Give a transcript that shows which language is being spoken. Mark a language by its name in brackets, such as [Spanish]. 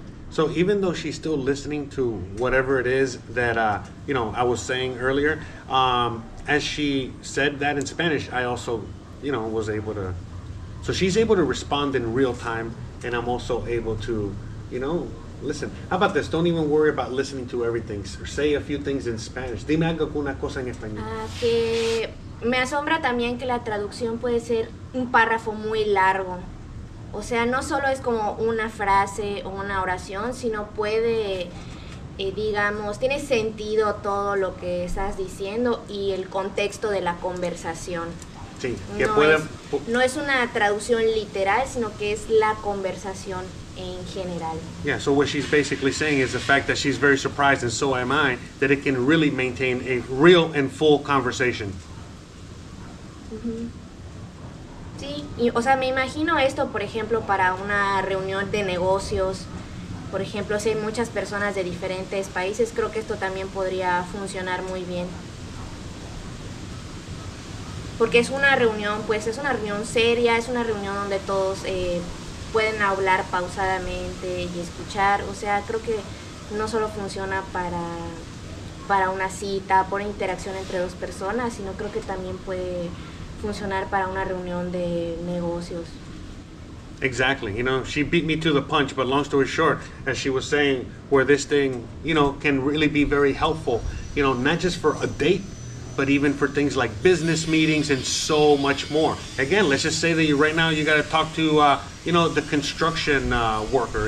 [English] So even though she's still listening to whatever it is that I was saying earlier, as she said that in Spanish, I also, you know, was able to, so she's able to respond in real time, and I'm also able to, you know, listen. How about this? Don't even worry about listening to everything. Say a few things in Spanish. [Spanish] Dime algo, una cosa en español. Que me asombra también que la traducción puede ser un párrafo muy largo. O sea, no solo es como una frase o una oración, sino puede, digamos, tiene sentido todo lo que estás diciendo y el contexto de la conversación. Sí, que no puede. No es una traducción literal, sino que es la conversación en general. [English] Yeah, so what she's basically saying is the fact that she's very surprised, and so am I, that it can really maintain a real and full conversation. [Spanish] Sí, y, o sea, me imagino esto, por ejemplo, para una reunión de negocios. Por ejemplo, si hay muchas personas de diferentes países, creo que esto también podría funcionar muy bien. Porque es una reunión, pues, es una reunión seria, es una reunión donde todos pueden hablar pausadamente y escuchar. O sea, creo que no solo funciona para una cita, por interacción entre dos personas, sino creo que también puede funcionar para una reunión de negocios. [English] Exactly. You know, she beat me to the punch, but long story short, as she was saying, where this thing, you know, can really be very helpful, you know, not just for a date, but even for things like business meetings and so much more. Again, let's just say that you right now you got to talk to, you know, the construction worker.